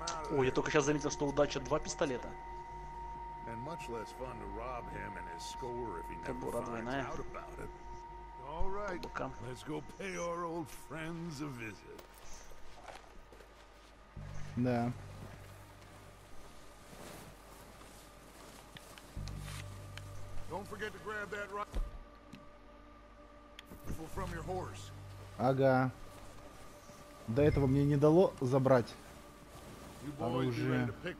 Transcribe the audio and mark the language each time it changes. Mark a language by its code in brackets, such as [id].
[ru] Ой, я только сейчас заметил, что у Дача два пистолета. [en] And much less fun to rob him and his score if he never finds out about it. All right, let's go pay our old friends a visit. [ru] Да. [en] Don't forget to grab that rifle from your horse. [ru] Ага. До этого мне не дало забрать оружие.